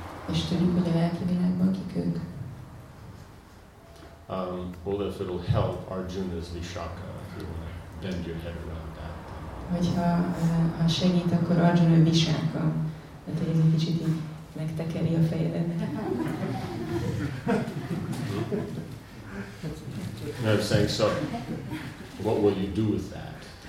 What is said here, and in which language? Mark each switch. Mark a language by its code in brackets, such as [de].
[hu] És tudjuk, hogy a lelki világban kik ők? [en] Well, if it'll help, Arjuna is Vishaka, if you want to bend your head around. [hu] Hogyha segít, akkor Arjuna Visáka. Mert hogy ez egy kicsit így megtekeri a fejedet. [en] No, I'm saying, so what will you do with that?